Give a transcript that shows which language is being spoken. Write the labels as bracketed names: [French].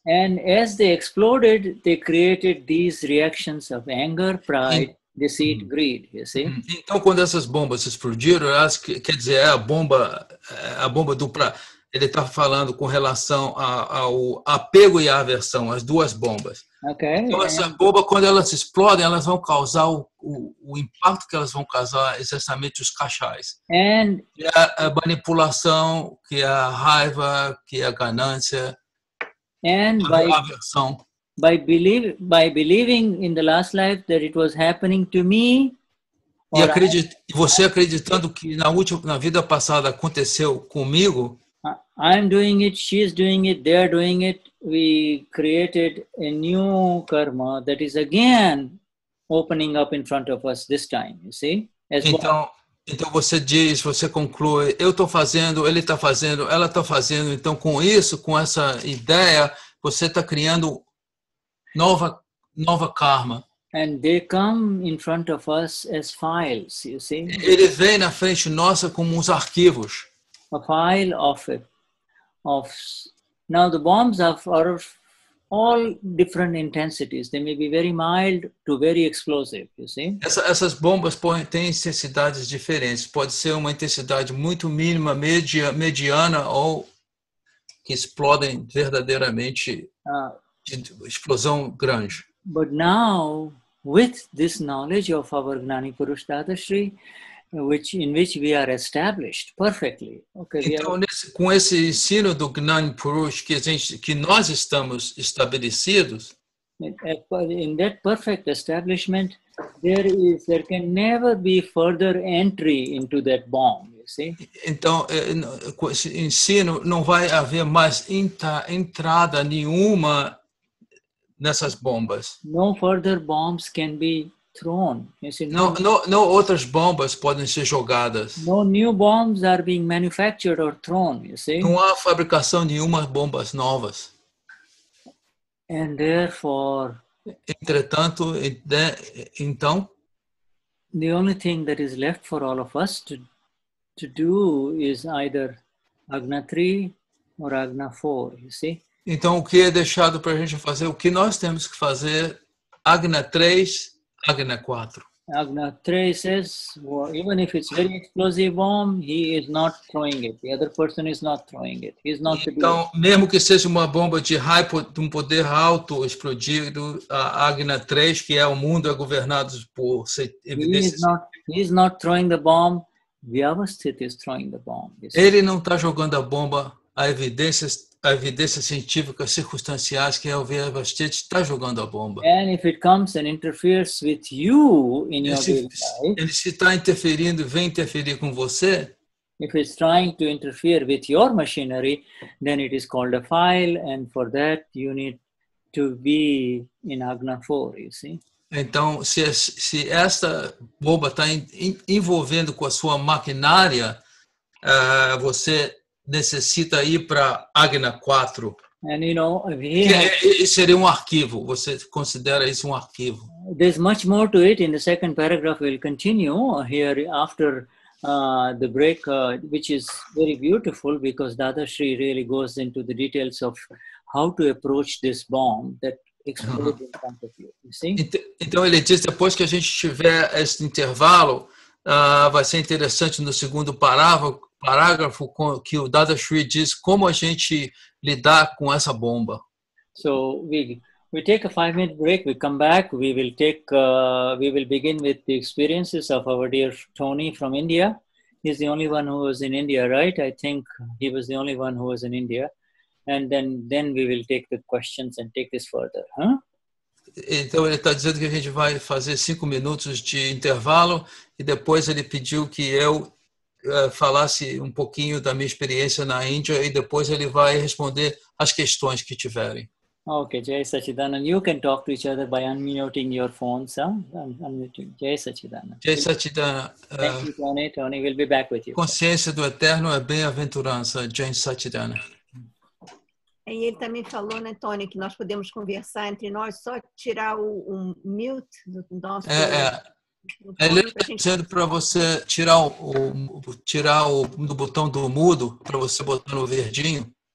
[English] And as they exploded, they created these reactions of anger, pride, deceit, greed, you see? [Portuguese] Então, quando essas bombas explodiram, quer dizer, a bomba dupla. Ele está falando com relação ao apego e à aversão, as duas bombas. [English] Okay, [Portuguese] então, essa bomba, quando elas explodem, elas vão causar o impacto que elas vão causar, exatamente os cachais. [English] And [Portuguese] que é a manipulação, que é a raiva, que é a ganância, [English] and [Portuguese] a aversão. [English] By believing in the last life that it was happening to me, [Portuguese] e você acreditando que na vida passada aconteceu comigo, [English] I'm doing it, she's doing it, they're doing it. We created a new karma that is again opening up in front of us this time, you see? [Portuguese] Então você diz, você conclui, eu estou fazendo, ele está fazendo, ela está fazendo. Então com isso, com essa ideia, você está criando nova karma. [English] And they come in front of us as files, you see? [Portuguese] Ele vem na frente nossa como uns arquivos. [English] A file of it. Of now the bombs are of all different intensities. They may be very mild to very explosive, you see? [Portuguese] Essas bombas têm intensidades diferentes. Pode ser uma intensidade muito mínima, mediana, ou que explodem verdadeiramente de explosão grande. [English] But now, with this knowledge of our Gnani Purush Dada Shri, in which we are established perfectly. Okay, [Portuguese] então, com esse ensino do Gnani Purush que nós estamos estabelecidos, [English] in that perfect establishment, there can never be further entry into that bomb, you see? [Portuguese] Então, com esse ensino, não vai haver mais entrada nenhuma nessas bombas. [English] No further bombs can be thrown. You see, [Portuguese] não outras bombas podem ser jogadas. [English] No new bombs are being manufactured or thrown, you see? [Portuguese] Não há fabricação de nenhuma bombas novas. [English] And therefore, [Portuguese] entretanto, então, [English] the only thing that is left for all of us to do is either Agna 3 or Agna 4, you see? [Portuguese] Então, o que é deixado para a gente fazer? O que nós temos que fazer? Agna 3, Agna 4. [English] Agna 3 says, well, even if it's a very explosive bomb, he is not throwing it. The other person is not throwing it. He is not to do it. [Portuguese] Então, mesmo que seja uma bomba de um poder alto explodido, a Agna 3, que é o mundo, é governado por... [English] He is not throwing the bomb. Vyavasthita is throwing the bomb. [Portuguese] Ele não está jogando a bomba. A evidência científica circunstanciais que é o Vyavasthita está jogando a bomba. [English] And if it comes and interferes with you in your daily life, [Portuguese] ele se está interferindo, vem interferir com você. [English] If it's trying to interfere with your machinery, then it is called a file, and for that you need to be in Agna 4, you see? [Portuguese] Então, se esta bomba está envolvendo com a sua maquinária, você necessita ir para Agna 4. [English] And, you know, [Portuguese] Seria um arquivo. Você considera isso um arquivo? [English] There's much more to it. In the second paragraph, we'll continue here after the break, which is very beautiful because Dada Shri really goes into the details of how to approach this bomb that exploded in front of you. You see? [Portuguese] Então, ele diz, depois que a gente tiver esse intervalo, vai ser interessante no segundo parágrafo que o Dada Shri diz como a gente lidar com essa bomba. [English] So we take a 5-minute break, we come back, we will take we will begin with the experiences of our dear Tony from India. He's the only one who was in India, right? I think he was the only one who was in India. And then we will take the questions and take this further, huh? [Portuguese] Então, ele está dizendo que a gente vai fazer 5 minutos de intervalo e depois ele pediu que eu falasse um pouquinho da minha experiência na Índia e depois ele vai responder as questões que tiverem. [English] Ok, Jai Satchidananda. You can talk to each other by unmuting your phones. Unmuting. Jai Satchidananda. Jai Satchidananda. Thank you, Tony. Tony, we'll be back with you. [Portuguese] Consciência do Eterno é bem-aventurança, Jai Satchidananda. E ele também falou, né, Tony, que nós podemos conversar entre nós, só tirar o mute do nosso... Ele está dizendo para você tirar o do botão do mudo, para você botar no verdinho.